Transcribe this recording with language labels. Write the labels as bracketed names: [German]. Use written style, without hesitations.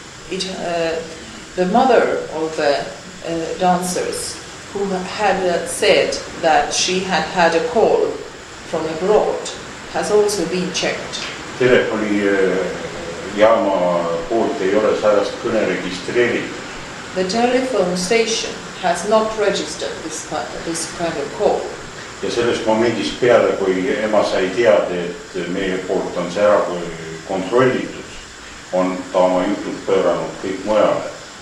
[English] The mother of the dancers who had said that she had had a call from abroad has also been checked. [Estonian] Telefoni jaama poolt ei ole sellest kõne registreeritud. [English] The telephone station has not registered this kind of call. [Estonian] Ja selles momentis peale, kui ema sai teada, et meie poolt on see ära kontrollitud, on ta oma jutud pööranud kõik mujale.